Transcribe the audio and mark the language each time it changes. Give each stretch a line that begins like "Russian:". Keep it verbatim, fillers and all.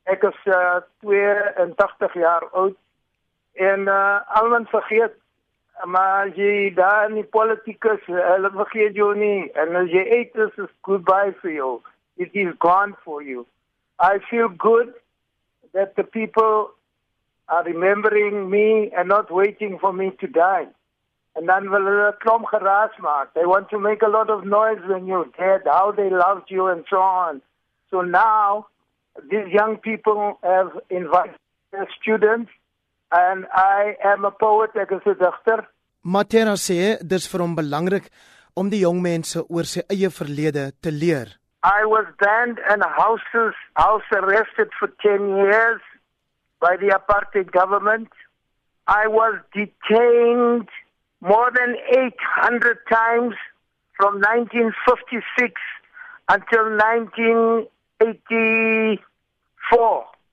Afrikaans: Ek is uh, tweeëntagtig jaar oud en uh, almal vergeet, maar as jy daar in die politiek is, hulle vergeet jou nie. En as jy eet is,
English: is goodbye for you. It is gone for you. I feel good that the people are remembering me and not waiting for me to die. And
Afrikaans: dan wil hulle klomp geraas maak.
English: They want to make a lot of noise when you're dead, how they loved you and so on. So now, these young people have invited their students and I am a poet,
Afrikaans: ek is 'n digter. Matera sê, dis vir hom belangrik om die jong mense oor sy eie verlede te leer.
English: I was banned and houses, house arrested for ten years by the apartheid government. I was detained more than eight hundred times from nineteen fifty-six until nineteen eighty-four.